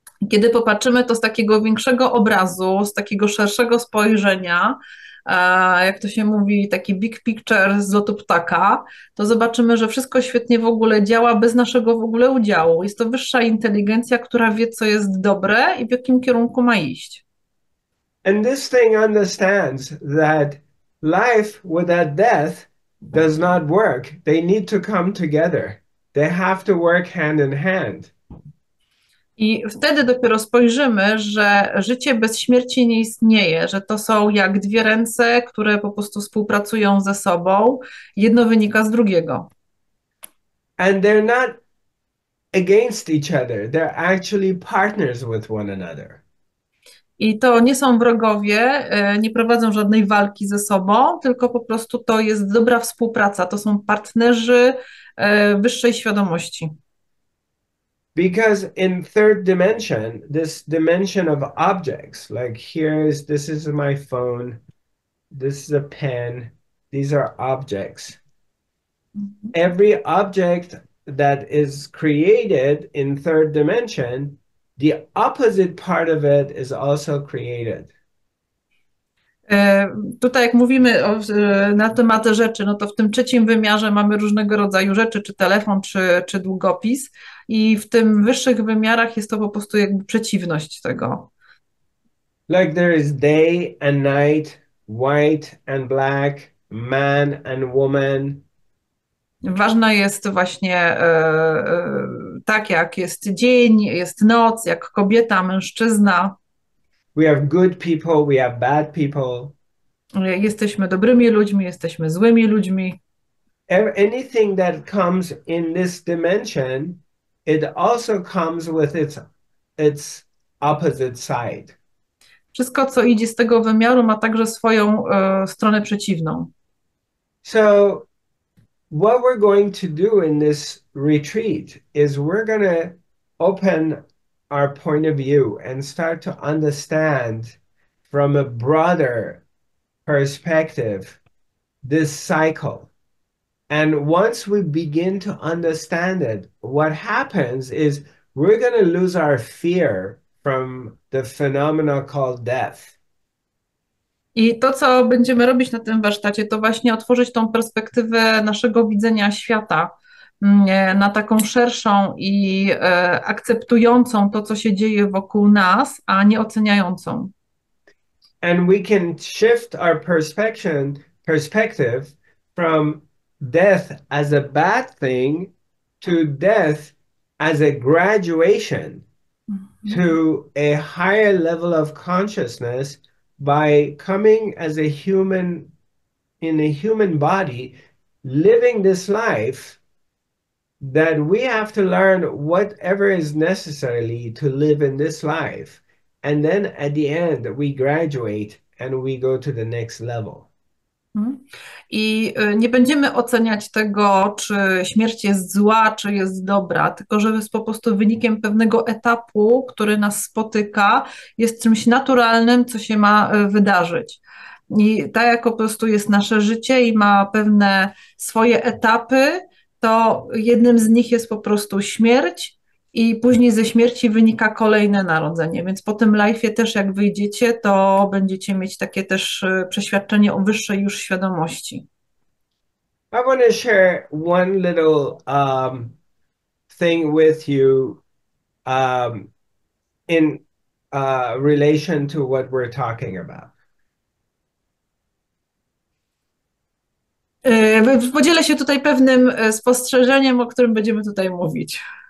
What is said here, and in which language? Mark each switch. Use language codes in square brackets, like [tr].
[pl] Kiedy popatrzymy to z takiego większego obrazu, z takiego szerszego spojrzenia, jak to się mówi, taki [en] big picture [pl] z lotu ptaka, to zobaczymy, że wszystko świetnie w ogóle działa bez naszego w ogóle udziału. Jest to wyższa inteligencja, która wie, co jest dobre i w jakim kierunku ma iść. [en] And this thing understands that life without death does not work. They need to come together. They have to work hand in hand. [pl] I wtedy dopiero spojrzymy, że życie bez śmierci nie istnieje, że to są jak dwie ręce, które po prostu współpracują ze sobą. Jedno wynika z drugiego. [en] And they're not against each other. They're actually partners with one another. [pl] I to nie są wrogowie, nie prowadzą żadnej walki ze sobą, tylko po prostu to jest dobra współpraca. To są partnerzy wyższej świadomości. [en] Because in third dimension, this dimension of objects, like here is this is my phone, This is a pen. These are objects. Every object that is created in third dimension, the opposite part of it is also created. [pl] Tutaj, jak mówimy na temat rzeczy, no to w tym trzecim wymiarze mamy różnego rodzaju rzeczy, czy telefon, czy długopis, i w tym wyższych wymiarach jest to po prostu jakby przeciwność tego. [en] Like there is day and night, white and black, man and woman. [pl] Ważne jest właśnie tak, jak jest dzień, jest noc, jak kobieta, mężczyzna. [en] We have good people, we have bad people. [pl] Jesteśmy dobrymi ludźmi, jesteśmy złymi ludźmi. [en] Anything that comes in this dimension, it also comes with its opposite side. [pl] Wszystko, co idzie z tego wymiaru, ma także swoją stronę przeciwną. [en] So, what we're going to do in this retreat is we're going to open our point of view and start to understand from a broader perspective this cycle. And once we begin to understand it, what happens is we're going to lose our fear from the phenomena called death. [pl] I to, co będziemy robić na tym warsztacie, to właśnie otworzyć tą perspektywę naszego widzenia świata na taką szerszą i akceptującą to, co się dzieje wokół nas, a nie oceniającą. [en] And we can shift our perspective from death as a bad thing to death as a graduation to a higher level of consciousness by coming as a human in a human body, living this life that we have to learn whatever is necessarily to live in this life. And then at the end, we graduate and we go to the next level. [pl] I nie będziemy oceniać tego, czy śmierć jest zła, czy jest dobra, tylko że jest po prostu wynikiem pewnego etapu, który nas spotyka, jest czymś naturalnym, co się ma wydarzyć. I tak jak po prostu jest nasze życie i ma pewne swoje etapy, to jednym z nich jest po prostu śmierć, i później ze śmierci wynika kolejne narodzenie. Więc po tym life'ie też, jak wyjdziecie, to będziecie mieć takie też przeświadczenie o wyższej już świadomości. [en] I want to share one little thing with you in relation to what we're talking about. [pl] Podzielę się tutaj pewnym spostrzeżeniem, o którym będziemy tutaj mówić.